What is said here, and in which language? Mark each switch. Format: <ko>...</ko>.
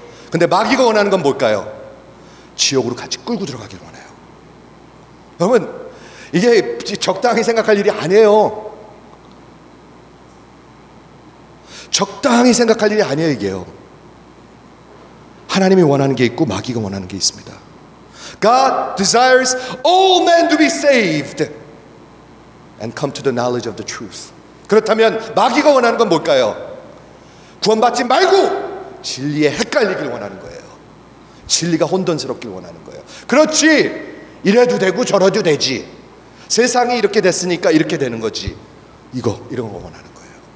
<ko>근데 마귀가 원하는 건 뭘까요? 지옥으로 같이 끌고 들어가기를 원해요. 여러분 이게 적당히 생각할 일이 아니에요. 적당히 생각할 일이 아니에요, 이게요. 하나님이 원하는 게 있고 마귀가 원하는 게 있습니다.</ko> <en>God desires all men to be saved and come to the knowledge of the truth.</en> <ko>그렇다면 마귀가 원하는 건 뭘까요? 구원받지 말고 진리에 헷갈리길 원하는 거예요. 진리가 혼돈스럽길 원하는 거예요. 그렇지! 이래도 되고 저래도 되지. 세상이 이렇게 됐으니까 이렇게 되는 거지. 이거 이런 거 원하는 거예요.</ko>